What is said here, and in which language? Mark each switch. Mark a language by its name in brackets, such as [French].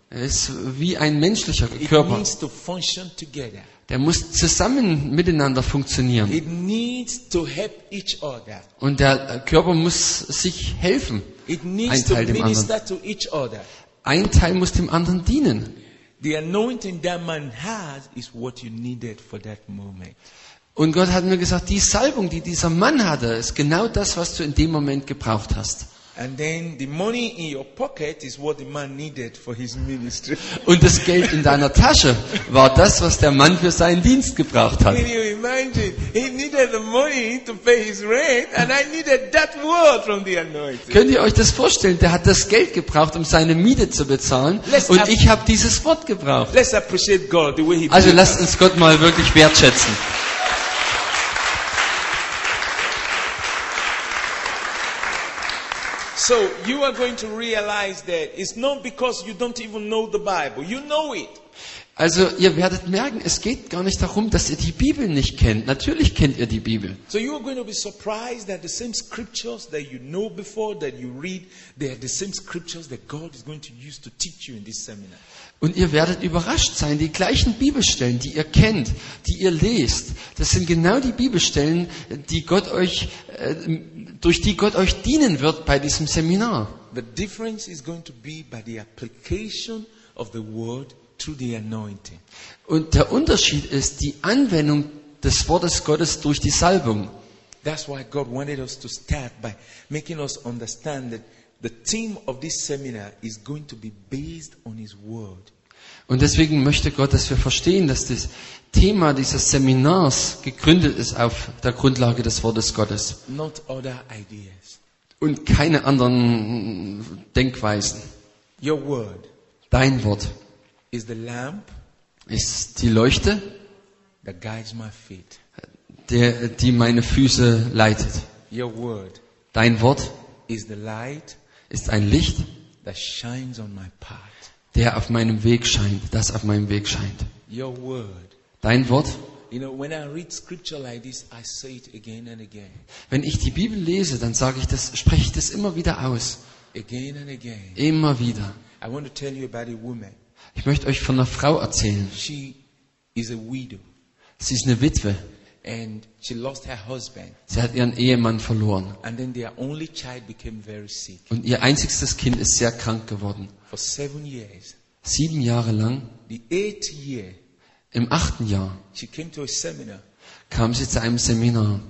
[German] Es ist wie ein menschlicher Körper. [English] It needs to together. [German] Der muss zusammen miteinander funktionieren. [English] It needs to help each other. [German] Und der Körper muss sich helfen. [English] It needs [German] ein Teil [English] to [German] dem [English] minister [German] anderen. [English] To each other. [German] Ein Teil muss dem anderen dienen. [English] The anointing that man has is what you needed for that moment. [German] Und Gott hat mir gesagt, die Salbung, die dieser Mann hatte, ist genau das, was du in dem Moment gebraucht hast. [English] And then the money in your pocket is what the man needed for his ministry. [German] Und das Geld in deiner Tasche war das, was der Mann für seinen Dienst gebraucht hat. [English] Can you imagine? He needed the money to pay his rent, and I needed that word from the anointing. [German] Könnt ihr euch das vorstellen? Der hat das Geld gebraucht, um seine Miete zu bezahlen, und ich habe dieses Wort gebraucht. [English] Let's appreciate God the way he. [German] Also lasst uns Gott mal wirklich wertschätzen. [English] So you are going to realize that it's not because you don't even know the Bible. You know it. [German] Also ihr werdet merken, es geht gar nicht darum, dass ihr die Bibel nicht kennt. Natürlich kennt ihr die Bibel. [English] So you are going to be surprised that the same scriptures that you know before that you read, they are the same scriptures that God is going to use to teach you in this seminar. [German] Und ihr werdet überrascht sein, die gleichen Bibelstellen, die ihr kennt, die ihr lest, das sind genau die Bibelstellen, die Gott euch durch die Gott euch dienen wird bei diesem Seminar. [English] The difference is going to be by the application of the word to the anointing. [German] Und der Unterschied ist die Anwendung des Wortes Gottes durch die Salbung. [English] That's why God wanted us to start by making us understand that the theme of this seminar is going to be based on his word. [German] Und deswegen möchte Gott, dass wir verstehen, dass das Thema dieses Seminars gegründet ist auf der Grundlage des Wortes Gottes. [English] Not other ideas. [German] Und keine anderen Denkweisen. [English] Your word. [German] Dein Wort. [English] Is the lamp. [German] Ist die Leuchte. [English] That guides my feet. [German] Die meine Füße leitet. [English] Your word. [German] Dein Wort. [English] Is the light. [German] Ist ein Licht. [English] That shines on my path. [German] Der auf meinem Weg scheint, das auf meinem Weg scheint. [English] Your word. [German] Dein Wort. [English] You know, when I read scripture like this, I say it again and again. [German] Wenn ich die Bibel lese, dann sage ich das, spreche ich das immer wieder aus. [English] Again and again. [German] Immer wieder. [English] I want to tell you about a woman. [German] Ich möchte euch von einer Frau erzählen. [English] She is a widow. [German] Sie ist eine Witwe. [English] And she lost her husband. [German] Sie hat ihren Ehemann verloren. [English] And then their only child became very sick. [German] Und ihr einziges Kind ist sehr krank geworden. [English] For 7 years. [German] 7 Jahre lang. [English] The eighth year. [German] Im achten Jahr. [English] She came to a seminar. [German] Kam sie zu einem Seminar.